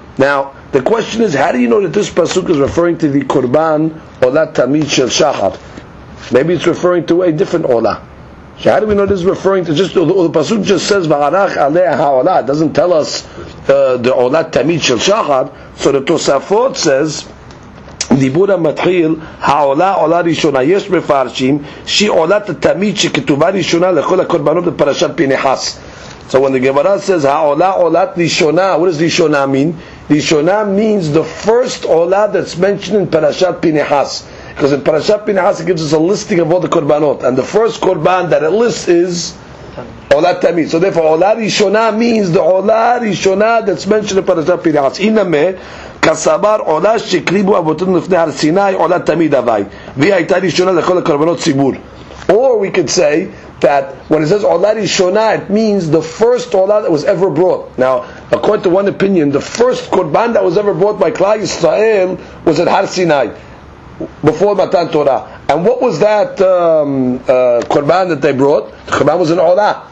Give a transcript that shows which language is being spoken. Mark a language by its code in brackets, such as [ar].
[en] Now the question is, how do you know that this pasuk is referring to the korban olah tamid shel shachar? Maybe it's referring to a different olah. So how do we know this is referring to just the pasuk just says ve'arach aleha ha'olah? It doesn't tell us the olah tamid shel shachar. So the Tosafot says, [he] דיבור המתחיל, העולה עולה ראשונה, יש מפרשים שעולת התמיד שכתובה ראשונה לכל הקורבנות בפרשת פינחס. [en] So when the Gemara says, [he] העולה עולת ראשונה, [en] what does ראשונה mean? ראשונה means the first עולה that's mentioned in פרשת פינחס. Because in פרשת פינחס it gives us a listing of all the קורבנות. And the first קורבן that it lists is עולת תמיד. So therefore, עולה ראשונה means the עולה ראשונה that's mentioned in פרשת פינחס. [he] הנה כסבר עולה שקריבו אבותינו לפני הר סיני עולה תמיד הווי והיא הייתה ראשונה לכל הקורבנות ציבור. [en] Or we could say that when it says עולה ראשונה, it means the first עולה that was ever brought. Now, according to one opinion, the first קורבן that was ever brought by Klal Yisrael was at הר סיני before Matan Torah. And what was that קורבן that they brought? The קורבן was an עולה.